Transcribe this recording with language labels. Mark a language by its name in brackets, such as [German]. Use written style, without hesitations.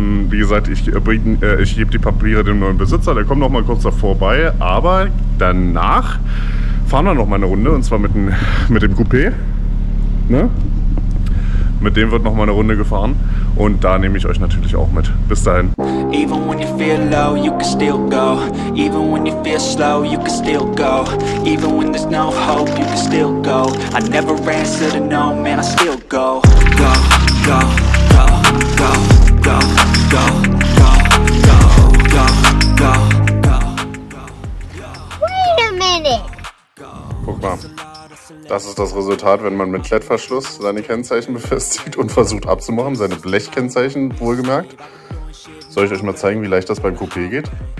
[German] wie gesagt, ich gebe die Papiere dem neuen Besitzer, der kommt noch mal kurz vorbei. Aber danach fahren wir noch mal eine Runde, und zwar mit dem Coupé. Ne? Mit dem wird noch mal eine Runde gefahren und da nehme ich euch natürlich auch mit. Bis dahin. [English] Even when you feel low, you can still go. Even when you feel slow, you can still go. Even when there's no hope, you can still go. I never answer to no, man, I still go. Go, go, go, go, go, go, go, go, go, go, go, go. Wait a minute. [German] Guck mal. Das ist das Resultat, wenn man mit Klettverschluss seine Kennzeichen befestigt und versucht abzumachen, seine Blechkennzeichen wohlgemerkt. Soll ich euch mal zeigen, wie leicht das beim Coupé geht?